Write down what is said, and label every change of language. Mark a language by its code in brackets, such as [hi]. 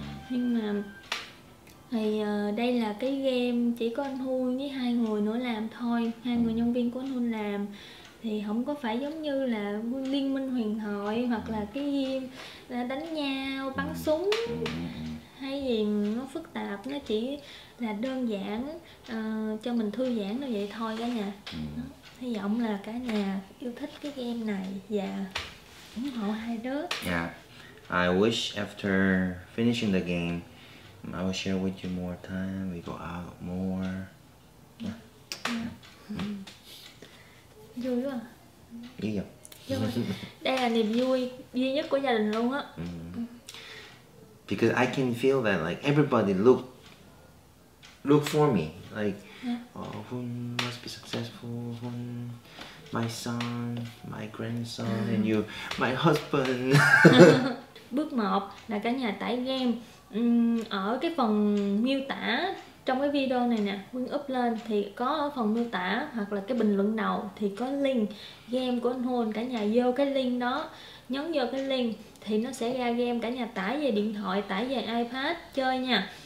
[vi] Nhưng mà thì đây là cái game chỉ có anh Huân với hai người nữa làm thôi, hai người nhân viên của anh Huân làm, thì không có phải giống như là Liên Minh Huyền Thoại hoặc là cái game là đánh nhau bắn súng hay gì nó phức tạp, nó chỉ là đơn giản cho mình thư giãn như vậy thôi cả nhà. Hy vọng là cả nhà yêu thích cái game này và ủng hộ hai đứa. [en] Yeah, I wish after finishing the game I will share with you more time, we go out more. [vi] Vui quá. Vui không? Vui. Đây là niềm vui duy nhất của gia đình luôn á. [en] Because I can feel that like everybody look for me. Like, yeah. Oh, Huân must be successful. Huân, my son, my grandson, and you, my husband. [vi] Bước 1 là cả nhà tải game. Ở cái phần miêu tả trong cái video này nè, Huân up lên thì có ở phần miêu tả hoặc là cái bình luận đầu thì có link game của anh Huân. Cả nhà vô cái link đó, nhấn vô cái link thì nó sẽ ra game, cả nhà tải về điện thoại, tải về iPad chơi nha.